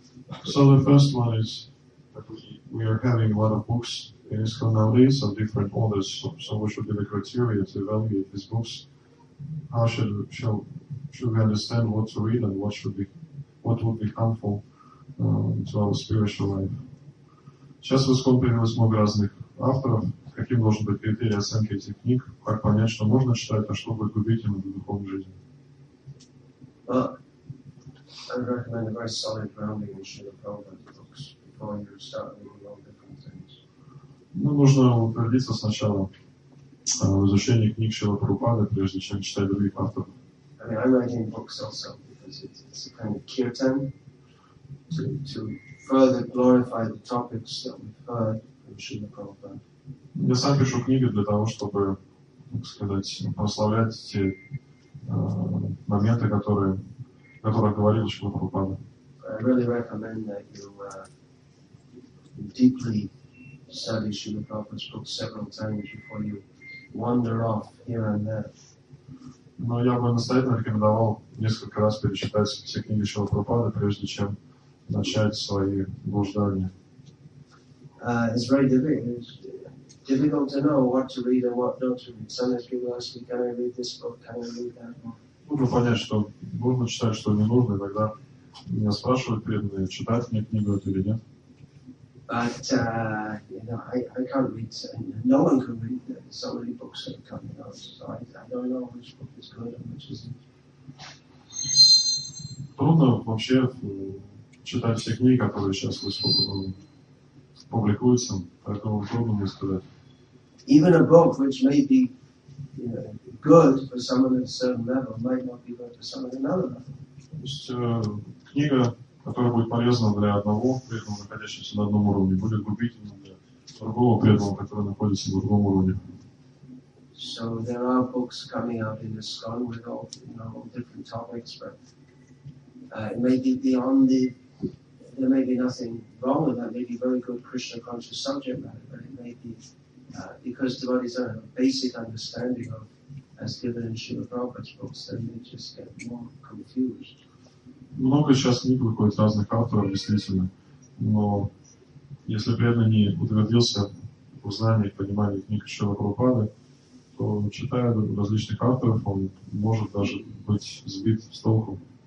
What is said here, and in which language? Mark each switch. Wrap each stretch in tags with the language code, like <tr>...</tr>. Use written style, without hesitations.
<en>Okay. So the first one is that we are having a lot of books in ISKCON nowadays of different authors. So what should be the criteria to evaluate these books? How should we understand what to read and what would be harmful to our spiritual life?</en> <ru>Сейчас в ISKCON появилось много разных авторов. Каким должен быть критерий оценки этих книг? Как понять, что можно читать, а что будет губительным для духовной жизни?</ru> <en>I would recommend a very solid grounding in Srila Prabhupada's books before you start reading all different things.</en> <ru>Ну, нужно утвердиться сначала в изучении книг Шрила Прабхупады, прежде чем читать других авторов.</ru> <en>I mean, I'm writing books also because it's a kind of kirtan to further glorify the topics that we've heard from Srila Prabhupada.</en> <ru>Я сам пишу книги для того, чтобы, так сказать, прославлять те моменты, которые говорил Шрила Прабхупада.</ru> <en>I really recommend that you deeply study Srila Prabhupada's books several times before you wander off here and there.</en> <ru>Но я бы настоятельно рекомендовал несколько раз перечитать все книги Шрила Прабхупады, прежде чем начать свои блуждания.</ru> <en>It's very difficult to know what to read and what not to read. Sometimes people ask me, can I read this book, can I read that book?</en> <ru>Нужно понять, что нужно читать, что не нужно, и тогда меня спрашивают преданные, читать мне книгу это или нет.</ru> <en>But you know, I can't read certain, no one can read so many books that are coming out, so I don't know which book is good and which isn't.</en> <ru>Трудно вообще читать все книги, которые сейчас публикуются, поэтому трудно мне сказать.</ru> <en>Even a book which may be, you know, good for someone at a certain level might not be good for someone at another level.</en> <ru>То есть книга, которая будет полезна для одного преданного, находящегося на одном уровне, будет губительным для другого преданного, который находится на другом уровне.</ru> <en>So there are books coming out in ISKCON with all, you know, different topics, but it may be beyond the, there may be nothing wrong with that, maybe very good Krishna conscious subject matter, but it may be because devotees have a basic understanding of as given in Srila Prabhupada's books, then they just get more confused.</en> <ru>Много сейчас книг выходит разных авторов, действительно. Но если преданный не утвердился в знании и понимании книг Шрилы Прабхупады, то читая различных авторов, он может даже быть сбит с толку.</ru>